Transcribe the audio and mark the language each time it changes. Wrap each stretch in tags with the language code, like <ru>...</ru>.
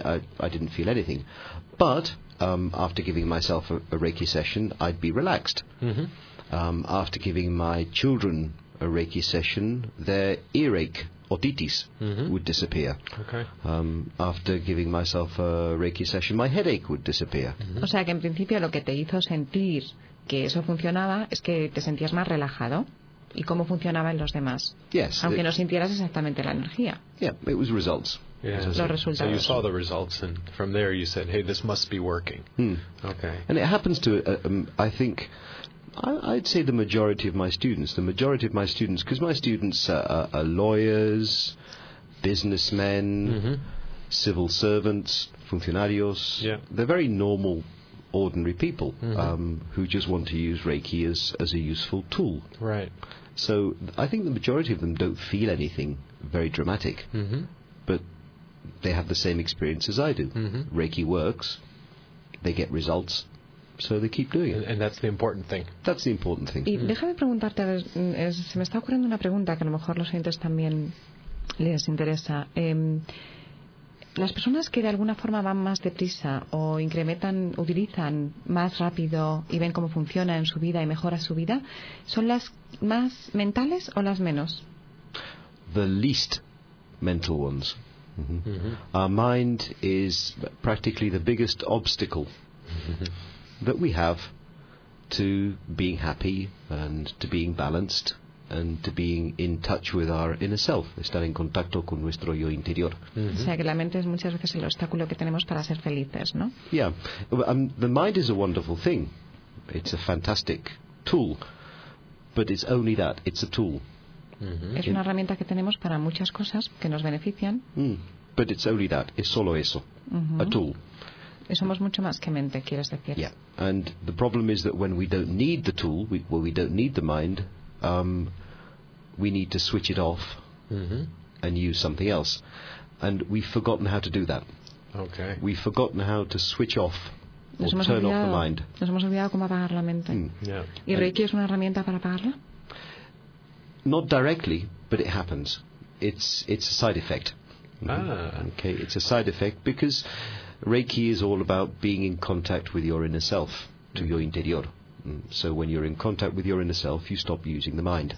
<en>I didn't feel anything. But after giving myself a Reiki session, I'd be relaxed. Mm-hmm. After giving my children a Reiki session, their earache, otitis, mm-hmm. would disappear. Okay. After giving myself a Reiki session, my headache would disappear.</en> <es>Mm-hmm. O sea, que en principio lo que te hizo sentir que eso funcionaba es que te sentías más relajado. ¿Y cómo funcionaba en los demás?</es> <en>Yes.</en> <es>Aunque no sintieras exactamente la energía.</es> <en>Yeah, it was results. Yeah.</en> <es>Los resultados.</es> <en>So you saw the results, and from there you said, hey, this must be working. Okay. And it happens to, I think... I'd say the majority of my students, because my students are lawyers, businessmen, mm-hmm. civil servants, funcionarios. Yeah. They're very normal, ordinary people mm-hmm. Who just want to use Reiki as a useful tool. Right. So I think the majority of them don't feel anything very dramatic, mm-hmm. but they have the same experience as I do. Mm-hmm. Reiki works, they get results. So they keep doing it. And that's the important thing. That's the important thing.</en> <es>Y déjame preguntarte, a ver, se me está ocurriendo una pregunta que a lo mejor los oyentes también les interesa. Las personas que de alguna forma van más deprisa o incrementan, utilizan más rápido y ven cómo funciona en su vida y mejora su vida, ¿son las más mentales o las menos?</es> <en>The least mental ones. Mm-hmm. Mm-hmm. Our mind is practically the biggest obstacle. Mm-hmm. that we have to being happy and to being balanced and to being in touch with our inner self,</en> <es>estar en contacto con nuestro yo interior. Mm-hmm. O sea, que la mente es muchas veces el obstáculo que tenemos para ser felices, ¿no?</es> <en>Yeah. The mind is a wonderful thing. It's a fantastic tool. But it's only that. It's a tool.</en> <es>Mm-hmm. Es una herramienta que tenemos para muchas cosas que nos benefician.</es> <en>Mm. But it's only that.</en> <es>Es solo eso. Mm-hmm.</es> <en>A tool.</en> <es>Y somos mucho más que mente, quieres decir.</es> <en>Yeah, and the problem is that when we don't need the tool, we don't need the mind, we need to switch it off mm-hmm. and use something else. And we've forgotten how to do that. Okay. We've forgotten how to switch off</en> <es>nos</es> <en>or turn</en> <es>olvidado,</es> <en>off the mind.</en> <es>Nos hemos olvidado cómo apagar la mente. Mm.</es> <en>Yeah.</en> <es>¿Y Reiki es una herramienta para apagarla?</es> <en>Not directly, but it happens. It's a side effect. Mm-hmm. Ah. Okay, it's a side effect because... Reiki is all about being in contact with your inner self, to your interior. So when you're in contact with your inner self, you stop using the mind.</en>